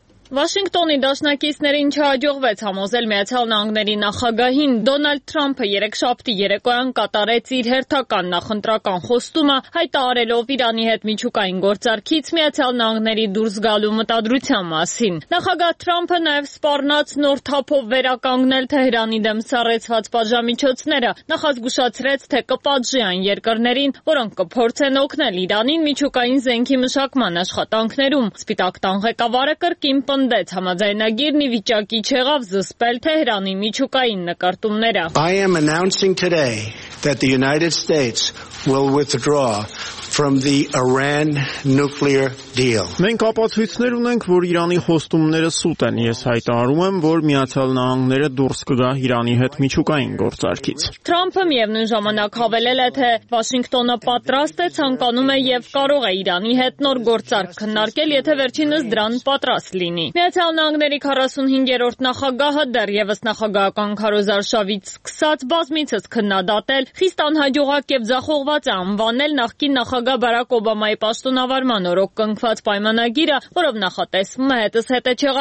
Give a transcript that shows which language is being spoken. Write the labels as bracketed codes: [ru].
[hy] Վաշինգտոնի դաշնակիցներին չհաջողվեց համոզել Միացյալ Նահանգների նախագահին Դոնալդ Թրամփը երեքշաբթի երեկոյան կատարեց իր հերթական նախընտրական խոստումը, հայտարարելով Իրանի հետ միջուկային գործարքից Միացյալ Նահանգների դուրս գալու մտադրության մասին։ Նախագահ Թրամփը նաև սպառնաց նոր թափով վերականգնել Թեհրանի դեմ սառեցված պատժամիջոցները, նախազգուշացրեց, թե կպատժի այն երկրներին, որոնք կփորձեն օգնել Իրանին միջուկային զենքի մշակման աշխատանքներում։ Սպիտակ տան ղեկավարը կրկին հանդեց համաձայնագիրն ի վիճակի չեղավ զսպել Թեհրանի միջուկային նկարտումները. [en] I am announcing today that the United States will withdraw from the Iran nuclear deal. [hy] Մենք ապացույցներ ունենք, որ Իրանի խոստումները սուտ են։ Ես հայտարարում եմ, որ Միացյալ Նահանգները դուրս կգա Իրանի հետ միջուկային գործարքից։ Թրամփը միևնույն ժամանակ հավելել է, թե Վաշինգտոնը պատրաստ է, ցանկանում է եւ կարող է Իրանի հետ նոր գործարք քննարկել, եթե վերջինս դրան պատրաստ լինի։ Միացյալ Նահանգների 45-րդ նախագահը դեռևս նախագահական քարոզարշավից սկսած բազմիցս քննադատել, խիստ անհաջողակ եւ ձախողված է անվանել նախկին նախագահ Բարակ Օբամայի պաշտոնավարման օրոք կնքված պայմանագիրը, որով նախատեսվում է հետս հետե